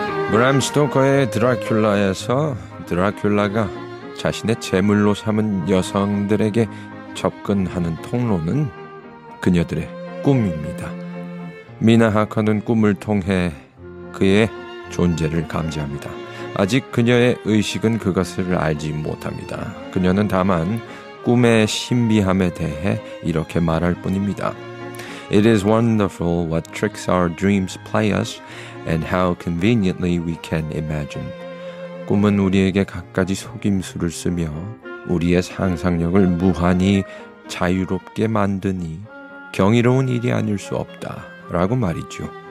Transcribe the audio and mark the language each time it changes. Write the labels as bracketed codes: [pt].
[ko] 브람 스토커의 드라큘라에서 드라큘라가 자신의 재물로 삼은 여성들에게 접근하는 통로는 그녀들의 꿈입니다. 미나 하커는 꿈을 통해 그의 존재를 감지합니다. 아직 그녀의 의식은 그것을 알지 못합니다. 그녀는 다만 꿈의 신비함에 대해 이렇게 말할 뿐입니다. [en] It is wonderful what tricks our dreams play us and how conveniently we can imagine. [ko] 꿈은 우리에게 갖가지 속임수를 쓰며 우리의 상상력을 무한히 자유롭게 만드니 경이로운 일이 아닐 수 없다 라고 말이죠.